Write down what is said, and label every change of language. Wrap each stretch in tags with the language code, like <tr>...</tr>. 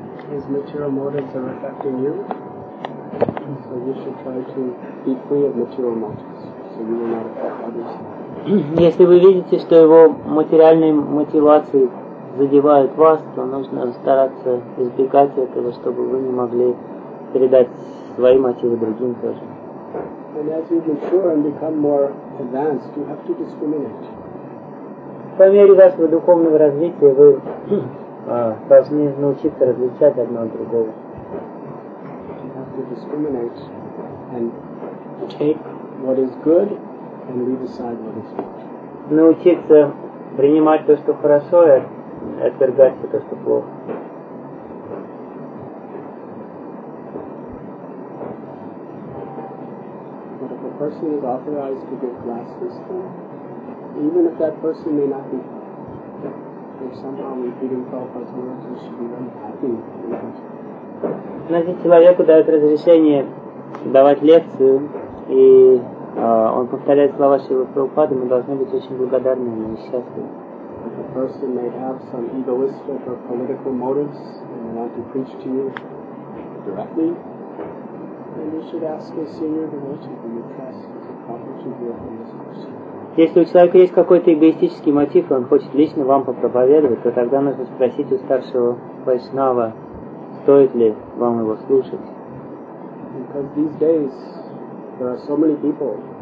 <en>His material motives are affecting you, so you should try to be free of material motives, so you will not affect others.</en> <ru>Если вы видите, что его материальные мотивации задевают вас, то нужно стараться избегать этого, чтобы вы не могли передать свои мотивы другим тоже.</ru> <en>And as you mature and become more advanced, you have to discriminate.</en> <ru>По мере вашего духовного развития вы должны научиться различать одно от другого.</ru> <en>You have to discriminate and take what is good and leave aside what is bad.</en> <ru>Научиться принимать то, что хорошо, и отвергать то, что плохо.</ru> <en>But if a person is authorized to give classes, even if that person may not be, if somehow repeating Prabhupada's words, they should be very happy.</en> <ru>Но если человеку дают разрешение давать лекцию, и он повторяет слова Шрилы Прабхупады, мы должны быть очень благодарны ему и счастливы.</ru> <en>If a person may have some egoistic or political motives and want to preach to you directly, then you should ask a senior devotee who you trust as a proper superior from this person.</en> <ru>Если у человека есть какой-то эгоистический мотив, и он хочет лично вам попроповедовать, то тогда нужно спросить у старшего вайшнава, стоит ли вам его слушать.</ru> <en>Because these days there are so many people</en>